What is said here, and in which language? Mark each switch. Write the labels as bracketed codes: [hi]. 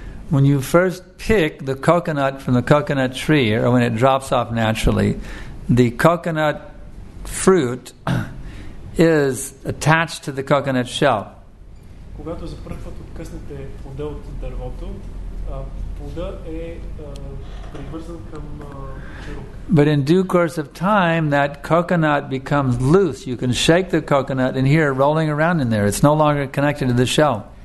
[en] When you first pick the coconut from the coconut tree, or when it drops off naturally, the coconut fruit is attached to the coconut shell. [bg] Когато за първ път откъснете плода от дървото, плода е привързан към черук. [en] But in due course of time, that coconut becomes loose. You can shake the coconut and hear it rolling around in there. It's no longer connected to the shell.